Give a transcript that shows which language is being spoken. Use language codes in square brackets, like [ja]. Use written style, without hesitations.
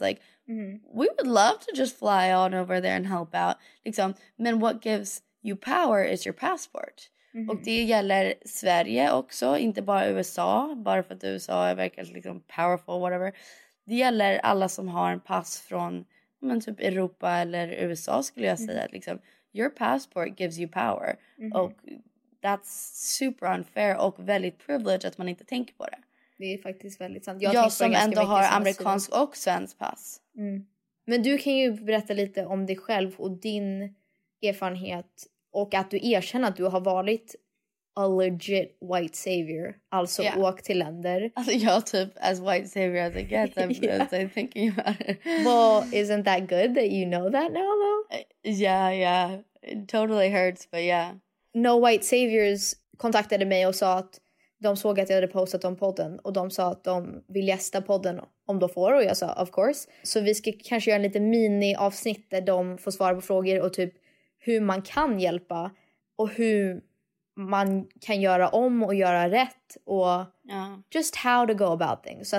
[en] Like we would love to just fly on over there and help out. [sv] Liksom, men [en] what gives you power is your passport. Mm-hmm. [sv] Och det gäller Sverige också, inte bara USA, bara för att USA är verkligen liksom powerful, whatever. Det gäller alla som har en pass från men typ Europa eller USA skulle jag säga. Liksom, [en] your passport gives you power. [sv] Mm-hmm. Och [en] that's super unfair [sv] och väldigt privileged att man inte tänker på det. Det är faktiskt väldigt sant. Jag som ändå har amerikansk och svensk pass. Mm. Men du kan ju berätta lite om dig själv och din erfarenhet. Och att du erkänner att du har varit [en] a legit white savior. [sv] Alltså åk till länder. Alltså jag typ [en] as white savior as I get. I'm just thinking about it. Well, isn't that good that you know that now though? Yeah, yeah. It totally hurts, but yeah. [sv] No white saviors kontaktade mig och sa att de såg att jag hade postat om podden. Och de sa att de vill gästa podden om de får. Och jag sa, [en] of course. [sv] Så vi ska kanske göra en lite mini avsnitt där de får svara på frågor och typ hur man kan hjälpa och hur man kan göra om och göra rätt och [en] just how to go about things.